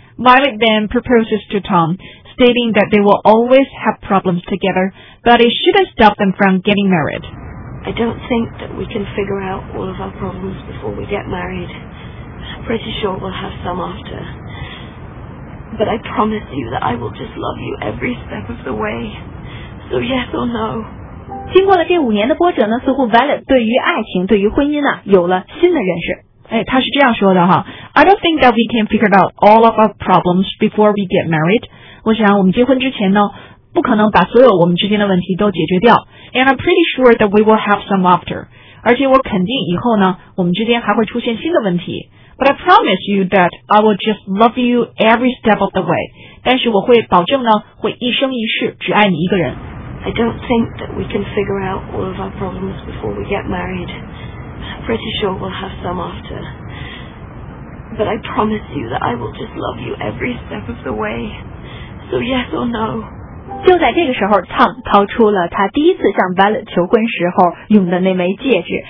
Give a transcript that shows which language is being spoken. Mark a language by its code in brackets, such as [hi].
[en] Violet then proposes to Tom, stating that they will always have problems together, but it shouldn't stop them from getting married. I don't think that we can figure out all of our problems before we get married. I'm pretty sure we'll have some after. But I promise you that I will just love you every step of the way. So yes or no? [zh] 经过了这五年的波折呢，似乎 Violet 对于爱情、对于婚姻呢、啊，有了新的认识。哎，他是这样说的哈 [en] ：I don't think that we can figure out all of our problems before we get married. [zh] 我想我们结婚之前呢，不可能把所有我们之间的问题都解决掉。 [en] And I'm pretty sure that we will have some after. [zh] 而且我肯定以后呢，我们之间还会出现新的问题。 [en] But I promise you that I will just love you every step of the way. [zh] 但是我会保证呢，会一生一世只爱你一个人。 [en] I don't think that we can figure out all of our problems before we get married. I'm pretty sure we'll have some after. But I promise you that I will just love you every step of the way. So yes or no? [zh] 就在这个时候 ，Tom 掏出了他第一次向 Violet 求婚时候用的那枚戒指。